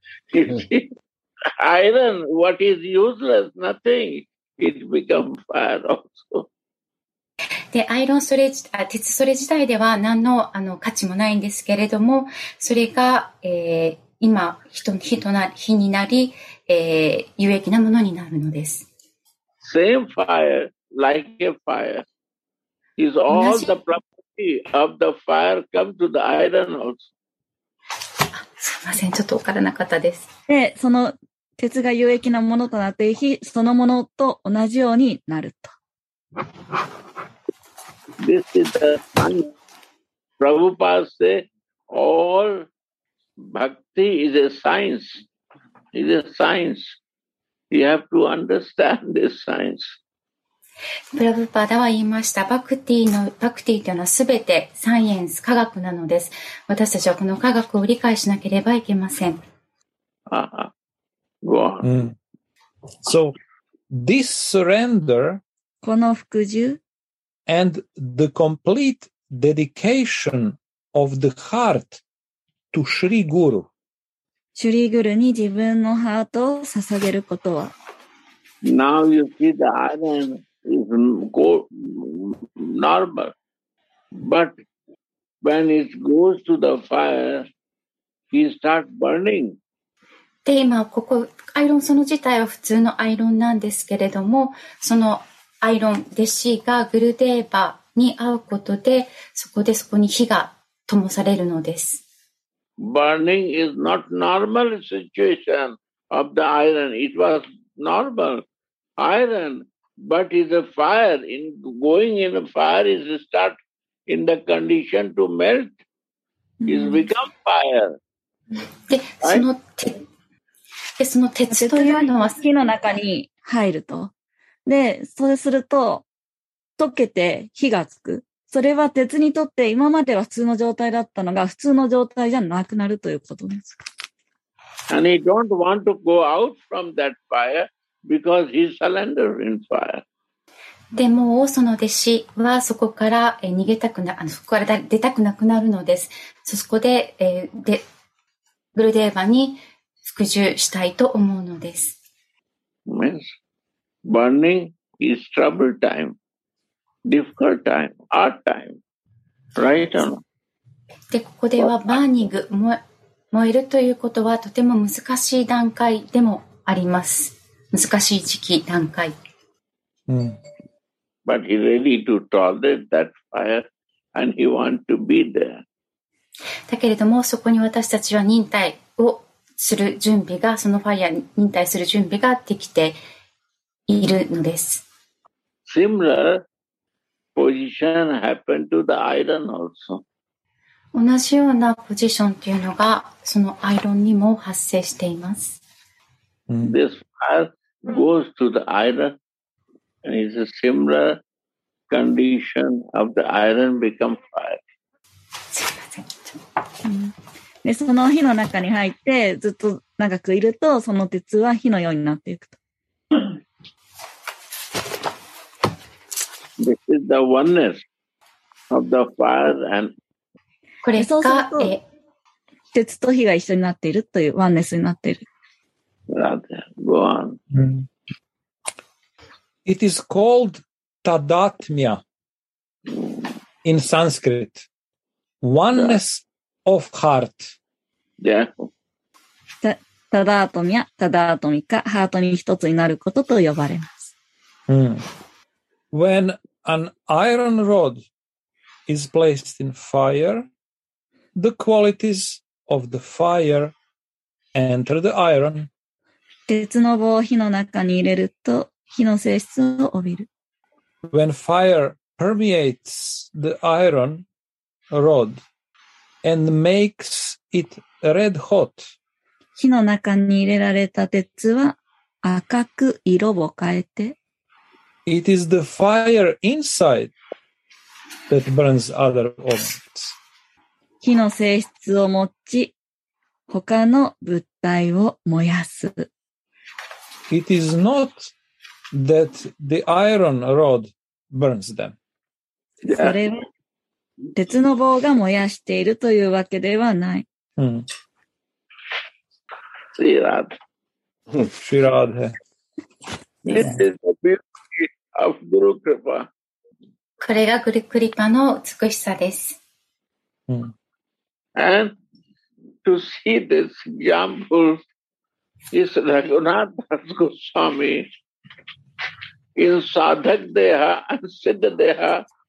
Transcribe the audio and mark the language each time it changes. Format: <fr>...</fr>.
<en>See, iron, what is useless? Nothing. It became fire also.</en> <ja>で、アイロン、それ、鉄それ自体では何の、価値もないんですけれども、それが、今、火になり、有益なものになるのです。</ja> <en>Same fire, like a fire, is all the property of the fire come to the iron also.</en> <ja>すみません、ちょっと分からなかったです。で、その鉄が有益なものとなって、火そのものと同じようになると。</ja> <en>This is the thing. Prabhupada say, all. Bhakti is a science. It's a science. You have to understand this science.</en> <ja>プラブパダは言いました。バクティというのはすべてサイエンス、科学なのです。私たちはこの科学を理解しなければいけません。</ja> <en>So this surrender,</en> <ja>この服従</ja> <en>and the complete dedication of the heart to Shri Guru,</en> <ja>シュリーグルに自分のハートを捧げることは、</ja> <en>Now you see the island is normal, but when it goes to the fire, he starts burning.</en> <ja>で、今ここアイロン、その自体は普通のアイロンなんですけれども、そのアイロン、弟子がグルデーバに会うことで、そこに火が灯されるのです。</ja> <en>Burning is not normal situation of the iron. It was normal iron, but is a fire. In going in a fire is start in the condition to melt. Is become fire.</en> <ja>その鉄というのは火の中に入ると。で、そうすると溶けて火がつく。それは鉄にとって今までは普通の状態だったのが普通の状態じゃなくなるということですか。</ja> <en>And he don't want to go out from that fire because he surrendered in fire.</en> <ja>でもその弟子はそこから逃げたくな、そこから出たくなくなるのです。そこで、グルデーバに服従したいと思うのです。</ja> <en>Yes. Burning is trouble time. Difficult time, hard time, right?</en> <ja>で、ここではバーニング、燃えるということはとても難しい段階でもあります。難しい時期、段階。</ja> <en>But he ready to tolerate that fire and he want to be there.</en> <ja>だけれども、そこに私たちは忍耐をする準備が、そのファイアに忍耐する準備ができているのです。</ja> <en>Similar. Position happened to the iron also.</en> <ja>同じようなポジションというのがそのアイロンにも発生しています。</ja> <en>This fire goes to the iron and is a similar condition of the iron become fire.</en> <ja>で、その火の中に入ってずっと長くいるとその鉄は火のようになっていくと。</ja> <en>This is the oneness of the fire and</en> <ja>これが、鉄と火が一緒になっているというワンネスになっている。</ja> <en>Go on. It is called tadatmya in Sanskrit. Oneness of heart. Yeah.</en> <ja>Tadatmya, tadatmika, ハートに一つになることと呼ばれます。</ja> <en>When an iron rod is placed in fire, the qualities of the fire enter the iron.</en> <ja>鉄の棒を火の中に入れると火の性質を帯びる。</ja> <en>When fire permeates the iron rod and makes it red hot,</en> <ja>火の中に入れられた鉄は赤く色を変えて、</ja> <en>It is the fire inside that burns other objects.</en> <ja>火の性質を持ち、他の物体を燃やす。</ja> <en>It is not that the iron rod burns them.</en> <ja>それは鉄の棒が燃やしているというわけではない。シラーデ。</ja> <en>Of Guru Kripa.</en> <ja>これがグルクリパの美しさです。</ja> <en>And to see this example is Raghunathas Goswami in Sadhak Deha and Siddha Deha.</en>